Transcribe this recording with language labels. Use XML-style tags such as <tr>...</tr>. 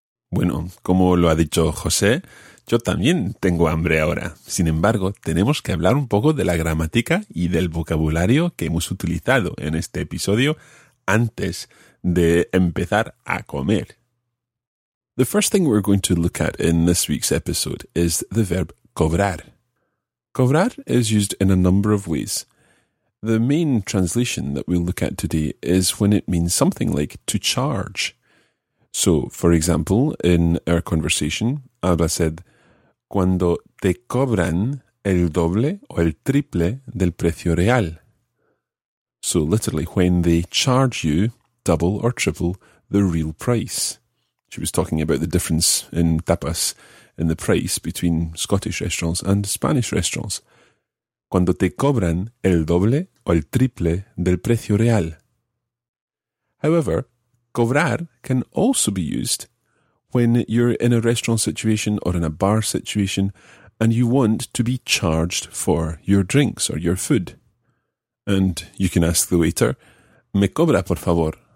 <es>Bueno, como lo ha dicho José, yo también tengo hambre ahora. Sin embargo, tenemos que hablar un poco de la gramática y del vocabulario que hemos utilizado en este episodio antes de empezar a comer.</es> <en>The first thing we're going to look at in this week's episode is the verb cobrar. Cobrar is used in a number of ways. The main translation that we'll look at today is when it means something like to charge. So, for example, in our conversation, Alba said,</en> <es>cuando te cobran el doble o el triple del precio real.</es> <en>So, literally, when they charge you double or triple the real price. She was talking about the difference in tapas, in the price between Scottish restaurants and Spanish restaurants.</en> <es>Cuando te cobran el doble o el triple del precio real.</es> <en>However, cobrar can also be used when you're in a restaurant situation or in a bar situation and you want to be charged for your drinks or your food. And you can ask the waiter,</en> <es>me cobra por favor?</es>